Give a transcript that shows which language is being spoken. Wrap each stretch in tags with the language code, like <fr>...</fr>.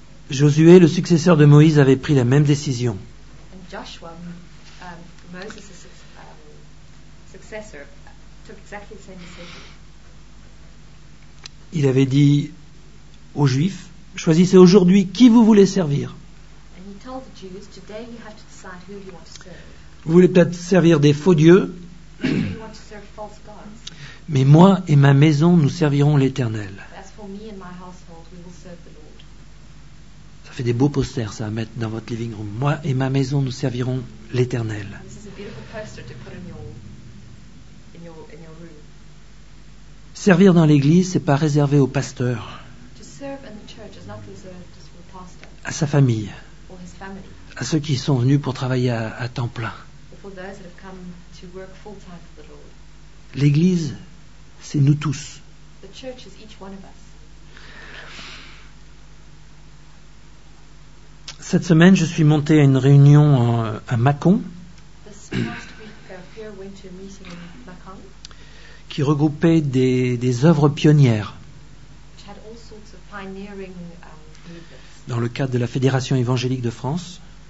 <fr>Josué, le successeur de Moïse, avait pris la même décision.</fr> <en>And Joshua, Moses' successor, took exactly the same decision.</en> <fr>Il avait dit aux Juifs, choisissez aujourd'hui qui vous voulez servir.</fr> <en>And he told the Jews, today you have to decide who you want to serve.</en> <fr>Vous voulez peut-être servir des faux dieux.</fr> <en>You want to serve false gods.</en> <fr>Mais moi et ma maison, nous servirons l'Éternel.</fr> <en>As for me and my household, we will serve the Lord.</en> <fr>Ça fait des beaux posters, ça, à mettre dans votre living room. Moi et ma maison, nous servirons l'Éternel.</fr> <en>This is a beautiful poster to put in your room.</en> <fr>Servir dans l'église, c'est pas réservé au pasteur.</fr> <en>To serve in the church is not reserved just for the pastor.</en> <fr>À sa famille.</fr> <en>Or his family.</en> <fr>À ceux qui sont venus pour travailler à temps plein.</fr> <en>For those that have come to work full time for the Lord.</en> <fr>L'église, c'est nous tous.</fr> <en>The church is each one of us.</en> <fr>Cette semaine, je suis monté à une réunion à Mâcon.</fr> <en>This past week, Pierre went to a meeting in Mâcon.</en> <fr>Qui regroupait des œuvres pionnières.</fr> <en>Which had all sorts of pioneering movements.</en> <fr>Dans le cadre de la Fédération évangélique de France.</fr>